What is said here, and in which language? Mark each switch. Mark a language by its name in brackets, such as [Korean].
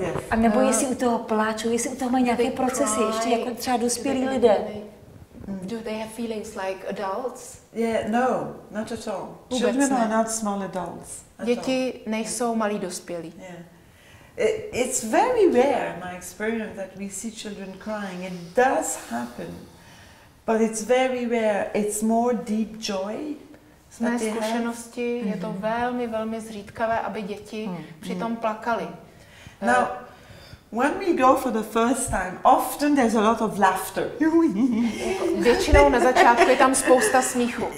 [Czech] A nebo jestli u toho pláčou, jestli u toho mají nějaké procesy, ještě jako třeba dospělí lidé? [English] Do they have feelings like adults? Yeah, no, not at all. Children are not small adults. [Czech] Děti nejsou malí dospělí. [English] Yeah. It's very rare, my experience, that we see children crying. It does happen, but it's very rare. It's more deep joy. [Czech] Z mé zkušenosti je to velmi, velmi zřídkavé, aby děti přitom plakaly. [English] Now, when we go for the first time, often there's a lot of laughter. [Czech] Většinou na začátku je tam spousta smíchu.